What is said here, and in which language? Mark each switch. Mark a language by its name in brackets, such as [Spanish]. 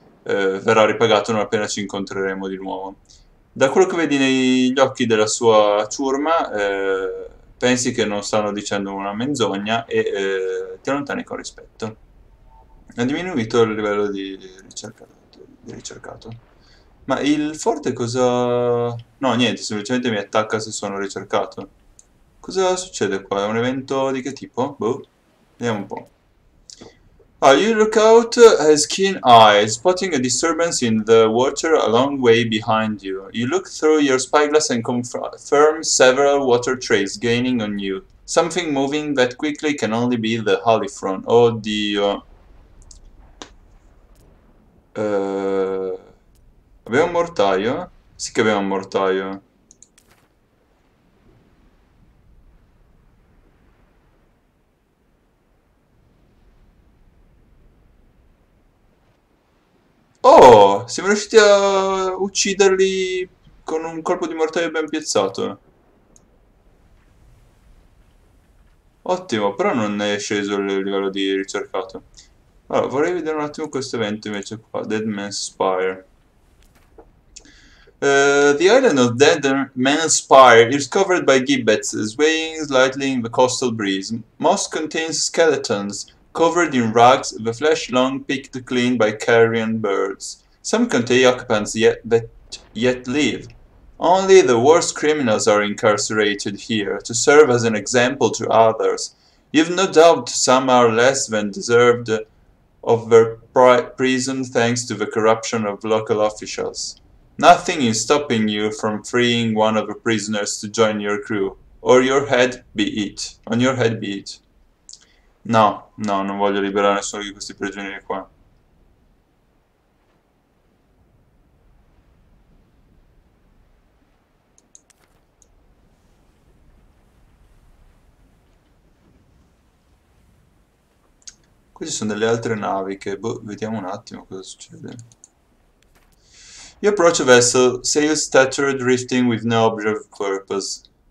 [Italian] verrà ripagato non appena ci incontreremo di nuovo. Da quello che vedi negli occhi della sua ciurma, pensi che non stanno dicendo una menzogna e ti allontani con rispetto. Ha diminuito il livello di ricercato. Ma il forte cosa... No, niente, semplicemente mi attacca se sono ricercato. Cosa succede qua? È un evento di che tipo? Boh, vediamo un po'. [English] Ah, you look out as keen eyes, spotting a disturbance in the water a long way behind you. You look through your spyglass and confirm several water trails gaining on you. Something moving that quickly can only be the Halifron. [Italian] Oh Dio. Abbiamo un mortaio? Sì che abbiamo un mortaio. Oh, siamo riusciti a ucciderli con un colpo di mortaio ben piazzato. Ottimo, però non è sceso il livello di ricercato. Allora, vorrei vedere un attimo questo evento invece qua, Dead Man's Spire. [English] The island of Dead Man's Spire is covered by gibbets, swaying slightly in the coastal breeze. Moss contains skeletons. Covered in rugs, the flesh long picked clean by carrion birds. Some contain occupants that yet live. Only the worst criminals are incarcerated here to serve as an example to others. You've no doubt some are less than deserved of their prison thanks to the corruption of local officials. Nothing is stopping you from freeing one of the prisoners to join your crew, or your head be it. On your head be it. [Italian] No, no, non voglio liberare nessuno di questi prigionieri qua. Queste sono delle altre navi che... Boh, vediamo un attimo cosa succede. [English] You approach a vessel, sails tattered drifting with no obvious purpose.